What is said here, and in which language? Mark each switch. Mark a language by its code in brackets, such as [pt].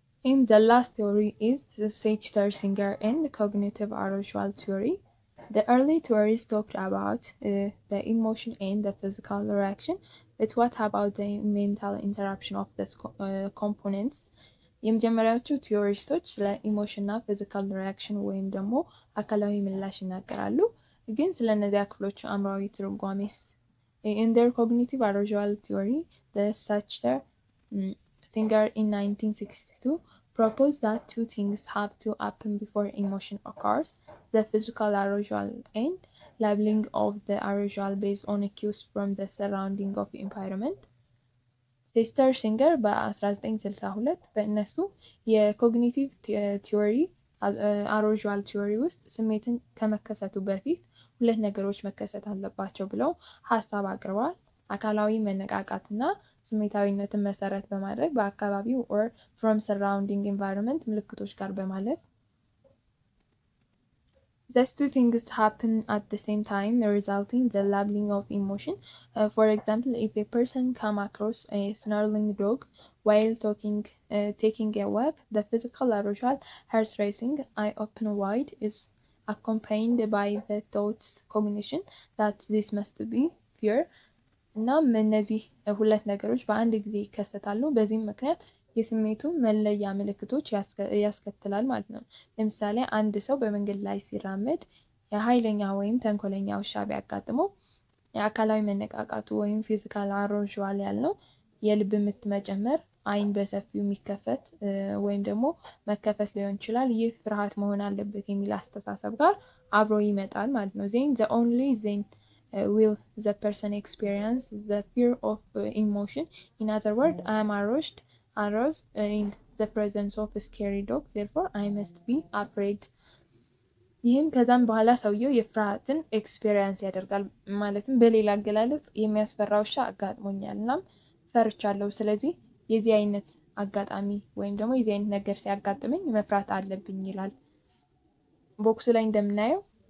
[en] ኢን ዘ ላስት ቲዮሪ ኢዝ ሴች ተርሲንገር ኤንድ ኮግኒቲቭ አሮዥዋል ቲዮሪ The early theories talked about the emotion and the physical reaction, but what about the mental interruption of these components? [am] የመጀመሪያዎቹ ቲዮሪስቶች ስለ ኢሞሽን እና ፊዚካል ሪአክሽን ወይም ደግሞ አካላዊ ምላሽ ይናገራሉ፣ ግን ስለ እነዚያ ክፍሎች አእምሯዊ ትርጓሜስ? [en] In their cognitive arousal theory, the Sachter Singer in 1962 proposed that two things have to happen before emotion occurs. The physical arousal and labeling of the arousal based on cues from the surrounding of environment. [am] Sister Singer በ1962 በእነሱ የኮግኒቲቭ ቲዮሪ አሮዥዋል ቲዮሪ ውስጥ ስሜትን ከመከሰቱ በፊት ሁለት ነገሮች መከሰት አለባቸው ብለው ሀሳብ አቅርበዋል። አካላዊ መነቃቃትና ስሜታዊነትን መሰረት በማድረግ በአካባቢው [en] ኦር ፍሮም ሰራውንዲንግ ኤንቫይሮንመንት [am] ምልክቶች ጋር በማለት [en] These two things happen at the same time, resulting in the labeling of emotion. For example, if a person comes across a snarling dog while taking a walk, the physical arousal, heart racing, eye open wide, is accompanied by the thought's cognition that this must be fear. [am] እናም እነዚህ ሁለት ነገሮች በአንድ ጊዜ ይከሰታሉ። በዚህም ምክንያት የስሜቱ መለያ ምልክቶች ያስከትላል ማለት ነው። ለምሳሌ አንድ ሰው በመንገድ ላይ ሲራመድ የኃይለኛ ወይም ተንኮለኛ ውሻ ቢያጋጥመው የአካላዊ መነቃቃቱ ወይም ፊዚካል አሮዥዋል ያለው የልብ ምት መጨመር፣ አይን በሰፊው የሚከፈት ወይም ደግሞ መከፈት ሊሆን ይችላል። ይህ ፍርሃት መሆን አለበት የሚል አስተሳሰብ ጋር አብሮ ይመጣል ማለት ነው። [en] ዜን ዘ ኦንሊ ዜን will the person experience the fear of emotion. In other words, I am aroused in the presence of a scary dog, therefore I must be afraid. [am] ይህም ከዛም በኋላ ሰውየው የፍርሃትን ኤክስፒሪየንስ ያደርጋል ማለትም በሌላ አገላለጽ የሚያስፈራ ውሻ አጋጥሞኛል እናም ፈርቻለሁ፣ ስለዚህ የዚህ አይነት አጋጣሚ ወይም ደግሞ የዚህ አይነት ነገር ሲያጋጥመኝ መፍራት አለብኝ ይላል። ቦክሱ ላይ እንደምናየው